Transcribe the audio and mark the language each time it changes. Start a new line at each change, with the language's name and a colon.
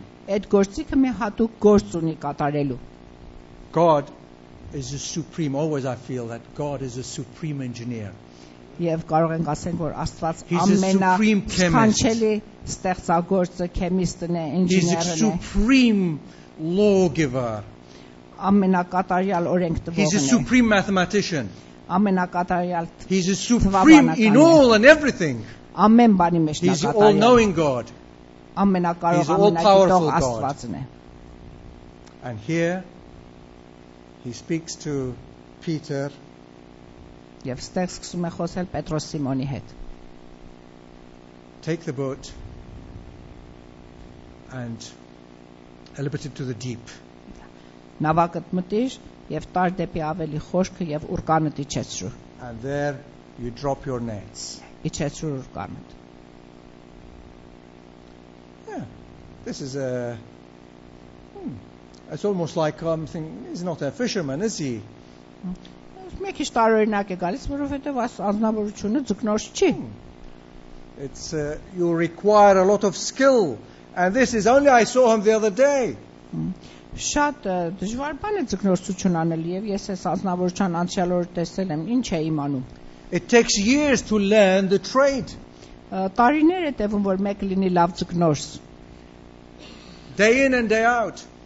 Armenian: Այդ գործիքը մի հատուկ գործ ունի կատարելու.
English: God is the supreme. Always I feel that God is a supreme engineer.
Armenian: Եվ կարող ենք ասենք, որ Աստված ամենասքանչելի ստեղծագործը, քեմիստն է, ինժեներն է.
English: He's a supreme lawgiver.
Armenian: Ամենակատարյալ օրենք տվողն է.
English: He's a supreme mathematician.
Armenian: Ամենակատարյալ
English: He's a supreme in all and everything.
Armenian: Ամեն բանի մեջ նա կատարյալ է.
English: He's all knowing God.
Armenian: Ամենակարող ամենագիտող Աստվածն է.
English: And here he speaks to Peter.
Armenian: Եվ ստեղ սկսում է խոսել Պետրոս Սիմոնի հետ.
English: Take the boat and elevate it to the deep.
Armenian: Նավակդ մտիր եւ տար դեպի ավելի խոշքը եւ ուրկանը դիչեցրու։
English: And there you drop your nets.
Armenian: Իչեցրու ուրկանը։
English: Yeah. This is a it's almost like something he's not a fisherman, is he?
Armenian: Մի քիչ տարօրինակ է գալիս, որովհետեւ այս անձնավորությունը ձկնորս չի։
English: It's you require a lot of skill and this is only I saw him the other day.
Armenian: Շատ դժվար բան է ձկնորսություն անել եւ ես այս անձնավորության անցյալ օրը տեսել եմ, ինչ է իմանում։
English: It takes years to learn the trade.
Armenian: Տարիներ է տևում, որ մեկ լինի լավ ձկնորս։
English: Day in and day out.